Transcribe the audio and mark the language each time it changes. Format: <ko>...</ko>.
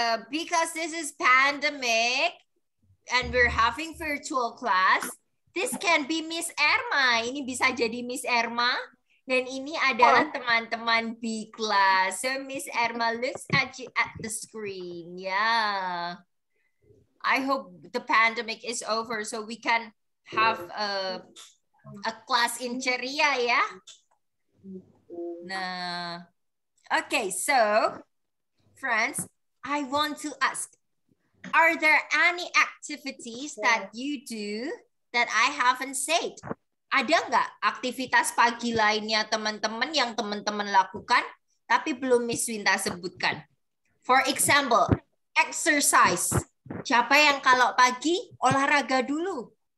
<en>Because this is pandemic and we're having virtual class, this can be Miss Erma.</en> <id>Ini bisa jadi Miss Erma. Dan ini adalah teman-teman B class.</id> <en>So Miss Erma looks at you at the screen. Yeah. I hope the pandemic is over so we can have a class in ceria, ya. Nah. Okay, so friends, I want to ask, are there any activities that you do that I haven't said?</en> <id>Ada nggak aktivitas pagi lainnya teman-teman yang teman-teman lakukan tapi belum Miss Winta sebutkan?</id> <en>For example, exercise.</en> <id>Siapa yang kalau pagi olahraga dulu?</id>